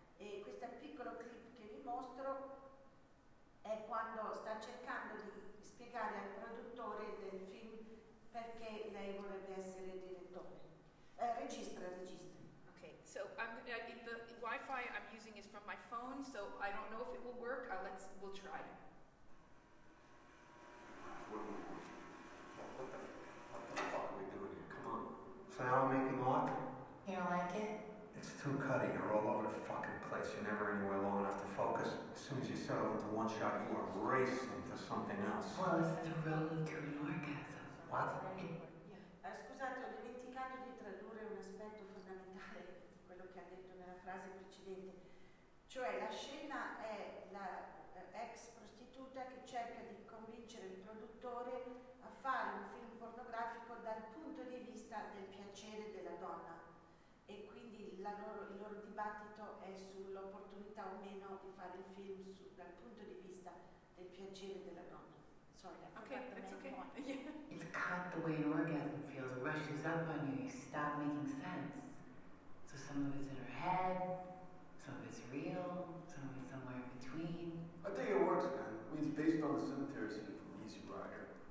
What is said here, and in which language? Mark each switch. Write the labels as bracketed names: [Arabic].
[Italian] E questo piccolo clip che vi mostro è quando sta cercando di spiegare al produttore del film perché lei vorrebbe essere direttore. Regista. [English] Okay, so the Wi-Fi I'm using is from my phone, so I don't know if it will work. We'll try. What the fuck are we doing here? Come on. So now I'm making lock? You don't like it? It's too cutty. You're all over the fucking place. You're never anywhere long enough to focus. As soon as you settle into one shot, you are racing for something else. Well, it's the thrill of your orgasm. What? [Italian] Scusate, ho dimenticato di tradurre un aspetto fondamentale di quello che ha detto nella frase precedente. Cioè, la scena è la ex prostituta che cerca di convincere il produttore a fare un film pornografico dal punto di vista del piacere della donna. E quindi il loro dibattito è sull'opportunità o meno di fare il film dal punto di vista del piacere della donna. [English] Sorry, it's cut the way an orgasm feels. It rushes up on you, you stop making sense. So some of it's in her head, some of it's real, some of it's somewhere in between. I think it works, man. I mean, it's based on the cemetery scene from Easy Rider.